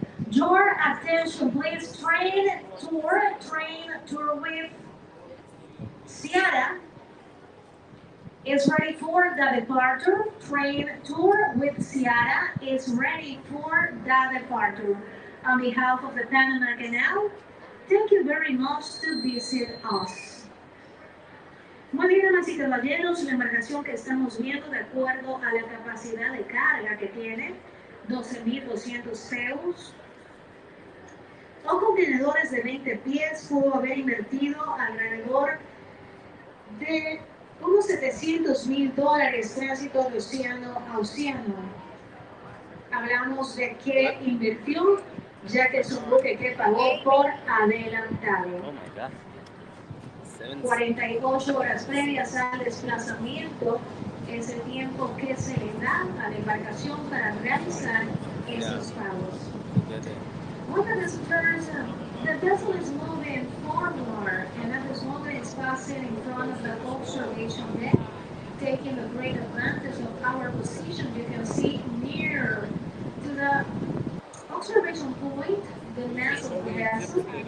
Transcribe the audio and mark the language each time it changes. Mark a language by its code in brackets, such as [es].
[en] Your attention, please. Train tour with Ciara is ready for the departure. Train tour with Ciara is ready for the departure. On behalf of the Panama Canal, thank you very much to visit us. [es] Muy bien, damas y caballeros, la embarcación que estamos viendo, de acuerdo a la capacidad de carga que tiene, 12,200 CEUs. O contenedores de 20 pies, pudo haber invertido alrededor de unos $700,000 tránsito de océano a océano. Hablamos de qué invirtió, ya que es un buque que pagó por adelantado. [en] Oh my God. [es] 48 horas previas al desplazamiento es el tiempo que se le da a la embarcación para realizar esos pagos. [en] One of the stars, the vessel is moving forward, and at this moment it's passing in front of the observation deck, taking a great advantage of our position. You can see near to the observation point the mass of the vessel.